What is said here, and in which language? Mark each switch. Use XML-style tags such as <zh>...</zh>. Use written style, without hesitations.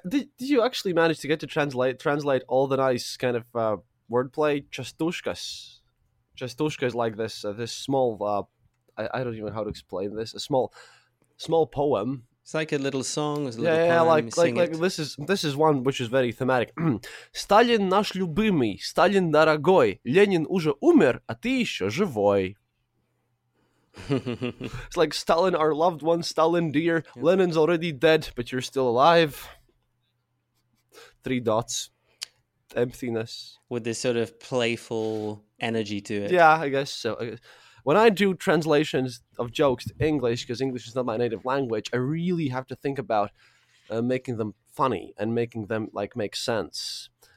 <en>Did you actually manage to get to translate all the nice kind of wordplay? Chastushkas. Chastushka is like this small, I don't even know how to explain this, a small poem. It's like a little song. A little poem. Like this is one which is very thematic.</en> <ru>Сталин наш любимый, Сталин дорогой, Ленин уже умер, а ты еще живой.</ru> <en>It's like Stalin, our loved one, Stalin dear, Lenin's already dead, but you're still alive. Three dots. Emptiness. With this sort of playful energy to it. Yeah, I guess so. When I do translations of jokes to English, because English is not my native language, I really have to think about making them funny and making them like make sense.</en>